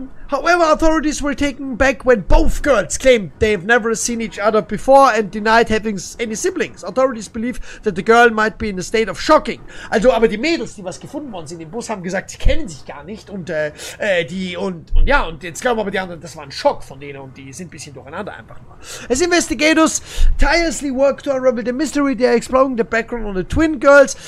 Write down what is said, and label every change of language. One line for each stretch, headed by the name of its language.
English: However, authorities were taken back when both girls claimed they've never seen each other before and denied having any siblings. Authorities believe that the girl might be in a state of shocking.
German: Also, aber die Mädels, die was gefunden worden sind im Bus, haben gesagt, sie kennen sich gar nicht und jetzt glauben aber die anderen, das war ein Schock von denen und die sind ein bisschen durcheinander einfach nur.
English: As investigators tirelessly work to unravel the mystery, they are exploring the background on the twin girls.